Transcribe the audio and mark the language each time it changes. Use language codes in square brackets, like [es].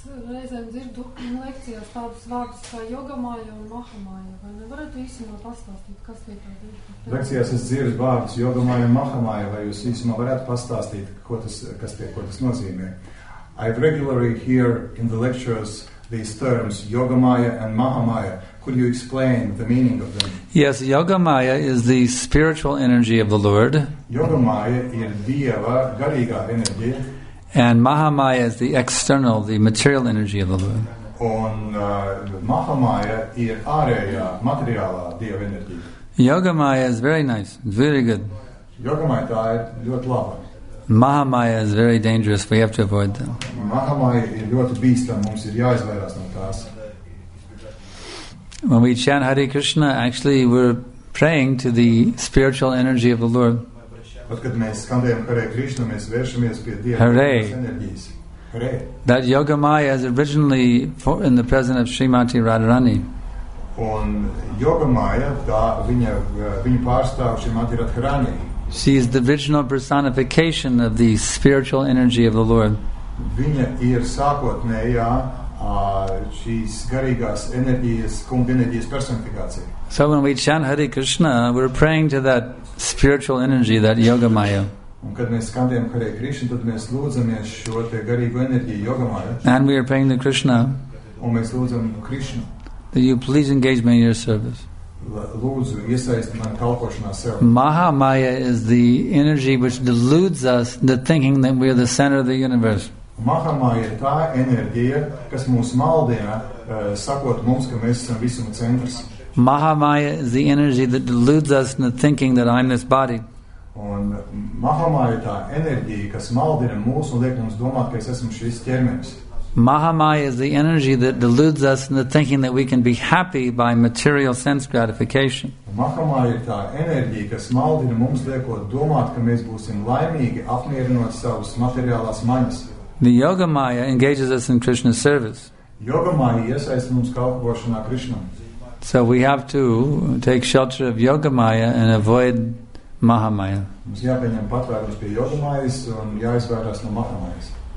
[lv] Reizēm dzirdu lekcijās tādus vārdus kā jogamāja un mahamāja. Vai nevarētu īsumā pastāstīt, kas tie tādi ir? Lekcijās es dzirdu vārdus jogamāja un mahamāja. Vai jūs īsumā varētu pastāstīt, ko tas nozīmē? [en] I regularly hear in the lectures these terms, Yogamaya and Mahamaya. Could you explain the meaning of them? Yes, Yogamaya is the spiritual energy of the Lord. [lv] Yogamaya ir Dieva garīgā enerģija. [en] And Mahamaya is the external, the material energy of the Lord. [lv] Mahamaya ir ārējā, materiālā Dieva enerģija. [en] Yogamaya is very nice, very good. [lv] Yogamaya tā ir ļoti laba. [en] Mahamaya is very dangerous. We have to avoid them. [lv] Mahamaya ir ļoti bīstama. Mums ir jāizvairās no tās. [en] When we chant Hare Krishna, actually we're praying to the spiritual energy of the Lord. [lv] Bet, kad mēs skandējam Hare Krishna, mēs vēršamies pie Dieva enerģijas. Hare. [en] That Yogamaya is originally in the presence of Srimati Radharani. [lv] Un Yogamaya, tā viņa pārstāv Srimati Radharani. [en] She is the original personification of the spiritual energy of the Lord. [lv] Viņa ir sākotnējā šīs garīgās enerģijas, kunga enerģijas personifikācija. [en] So when we chant Hare Krishna, we're praying to that spiritual energy, that Yogamaya. [lv] Un kad mēs skandējam Hare Krishna, tad mēs lūdzamies šo te garīgo enerģiju, Yogamaya. [en] And we are praying to Krishna. [lv] Un mēs lūdzam Krishna. [en] That you please engage me in your service. [lv] Lūdzu, iesaisti mani kalpošanā sev. [en] Mahamaya is the energy which deludes us into thinking that we are the center of the universe. [lv] Mahamaya ir tā enerģija, kas mūs maldina, sakot mums, ka mēs esam visuma centrs. [en] Mahamaya is the energy that deludes us into thinking that I'm this body. [lv] Un Mahamaya ir tā enerģija, kas maldina mūs un liek mums domāt, ka es esmu šis ķermenis. [en] Mahamaya is the energy that deludes us into thinking that we can be happy by material sense gratification. [lv] Mahamaya ir tā enerģija, kas maldina mums liekot domāt, ka mēs būsim laimīgi apmierinot savus materiālās maņas. [en] The Yogamaya engages us in Krishna's service. [lv] Yogamaya iesaista mums kalpošanā Krishnam. [en] So we have to take shelter of Yogamaya and avoid Mahamaya. [lv] Mums jāpieņem patvērums pie Yogamayas un jāizvērās no Mahamayas.